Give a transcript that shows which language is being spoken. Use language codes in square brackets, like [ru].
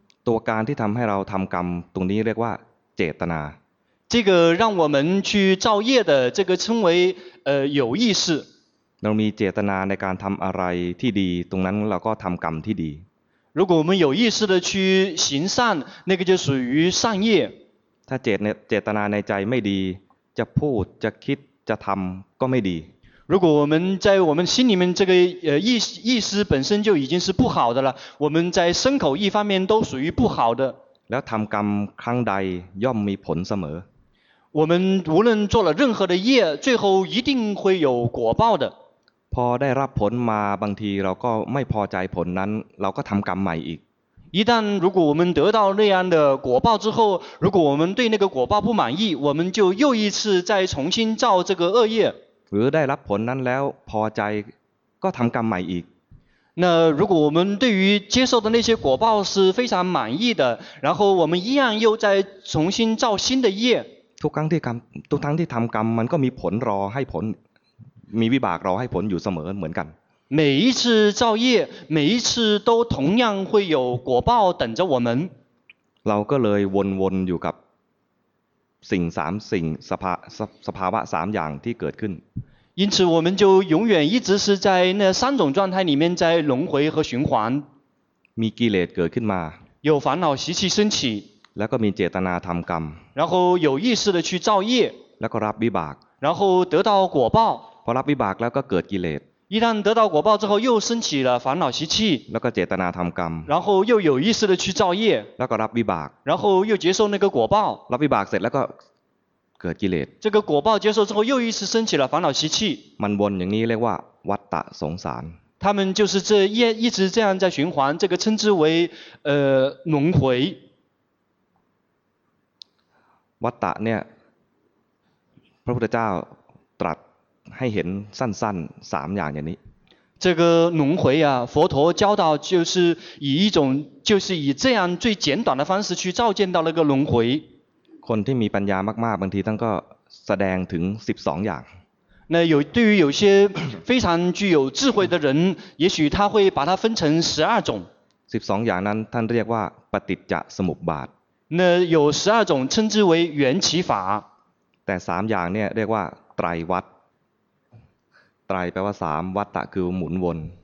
[th] ตัวการที่ทำให้เราทำกรรมตรงนี้เรียกว่าเจตนา [zh] 这个让我们去造业的这个称为有意识 [th] เรามีเจตนาในการทำอะไรที่ดีตรงนั้นเราก็ทำกรรมที่ดี [zh] 如果我们有意识的去行善那个就属于善业 [th] ถ้าเจตนาในใจไม่ดีจะพูดจะคิดจะทำก็ไม่ดี [zh] 如果我们在我们心里面这个意思本身就已经是不好的了我们在身口意方面都属于不好的 [th] แล้วทำกรรมครั้งใดย่อมมีผลเสม [zh] อ我们无论做了任何的业最后一定会有果报的 [th] พอได้รับผลมาบางทีเราก็ไม่พอใจผลนั้นเราก็ทำกรรมใหม่อีก [zh] 一旦如果我们得到那样的果报之后如果我们对那个果报不满意我们就又一次再重新造这个恶业 [th] หรือได้รับผลนั้นแล้วพอใจก็ทำกรรมใหม่อีก [zh] 那如果我们对于接受的那些果报是非常满意的然后我们一样又再重新造新的业 [th] ทุกครั้งที่ทำกรรมมันก็มีผลรอให้ผลมีวิบากรอให้ผลอยู่เสมอเหมือนกัน [zh] 每一次造业每一次都同样会有果报等着我们 [th] เราก็เลยวนๆอยู่กับสิ่ง3สิ่งสภาวะ3อย่างที่เกิดขึ้น [zh] 因此我们就永远一直是在那三种状态里面在轮回和循环 [th] มีกิเลสเกิดขึ้นมา [zh] 有烦恼习气升起 [th] แล้วก็มีเจตนาทำกรรม [zh] 然后有意识的去造业 [th] แล้วก็รับวิบาก [zh] 然后得到果报 [th] พอรับวิบากแล้วก็เกิดกิเลส [zh] 一旦得到果报之后又升起了烦恼习气 [th] แล้วก็เจตนาทำกรรม [zh] 然后又有意识的去造业 [th] แล้วก็รับวิบาก [zh] 然后又接受那个果报 [th] รับวิบากเสร็จแล้วก็เกิดกิเลส [zh] 这个果报接受之后又一次升起了烦恼习气 [th] มันวนอย่างนี้เรียกว่าวัฏฏะสงสาร [zh] 他们就是这一直这样在循环这个称之为轮回 [th] วัฏฏะเนี่ยพระพุทธเจ้าตรัสให้เห็นสั้นๆ3อย่างอย่างนี้ [zh] 这个轮回啊佛陀教导就是以一种就是以这样最简短的方式去照见到那个轮回 [th] คนที่มีปัญญามากๆบางทีท่านก็แสดงถึง12อย่าง [zh] 那有对于有些非常具有智慧的人也许他会把它分成12种 [th] 12อย่างนั้นท่านเรียกว่าปฏิจจสมุปบาท [zh] 那有12种称之为缘起法 [th] แต่3อย่างเนี่ยเรียกว่าไตรวัตรไตรแปลว่า3วัฏฏะคือหมุนวน